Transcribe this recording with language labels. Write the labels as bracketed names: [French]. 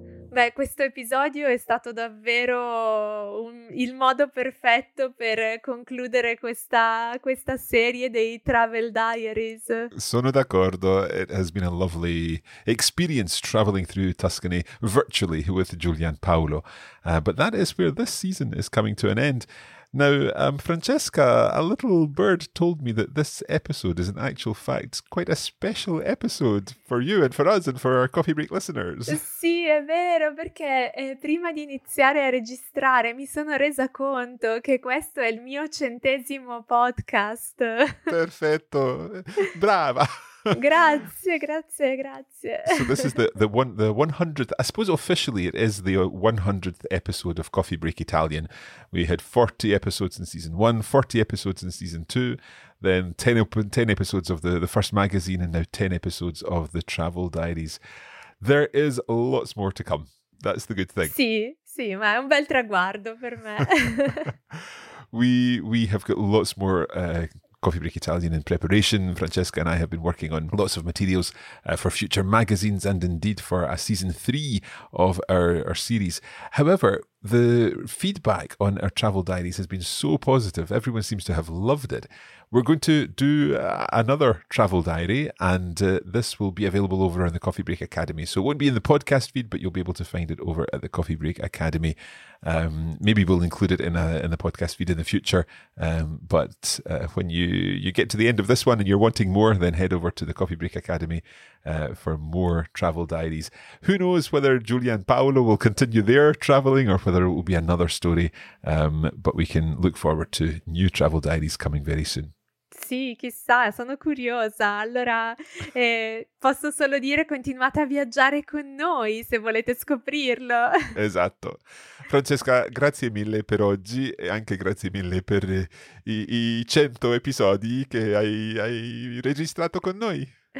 [Italian] Beh, questo episodio è stato davvero il modo perfetto per concludere questa serie dei Travel Diaries. Sono d'accordo. [English] It has been a lovely experience traveling through Tuscany virtually with Giulia and Paolo. But that is where this season is coming to an end. Now, Francesca, a little bird told me that this episode is, in actual fact, quite a special episode for you and for us and for our Coffee Break listeners. [Italian] Sì, è vero, perché prima di iniziare a registrare mi sono resa conto che questo è il mio 100° podcast. Perfetto, brava. Grazie. [English] So this is the 100th, I suppose officially it is the 100th episode of Coffee Break Italian. We had 40 episodes in season one, 40 episodes in season two, then 10 episodes of the first magazine, and now 10 episodes of the Travel Diaries. There is lots more to come. That's the good thing. [Italian] Sì, ma è un bel traguardo per me. [English] We have got lots more Coffee Break Italian in preparation. Francesca and I have been working on lots of materials for future magazines and indeed for a season three of our series. However, the feedback on our travel diaries has been so positive. Everyone seems to have loved it. We're going to do another travel diary, and this will be available over on the Coffee Break Academy. So it won't be in the podcast feed, but you'll be able to find it over at the Coffee Break Academy. Maybe we'll include it in the podcast feed in the future. When you get to the end of this one and you're wanting more, then head over to the Coffee Break Academy for more travel diaries. Who knows whether Giulia and Paolo will continue their traveling or whether it will be another story. But we can look forward to new travel diaries coming very soon. [Italian] Sì, chissà, sono curiosa. Allora, posso solo dire continuate a viaggiare con noi se volete scoprirlo. Esatto. Francesca, grazie mille per oggi e anche grazie mille per i 100 episodi che hai registrato con noi.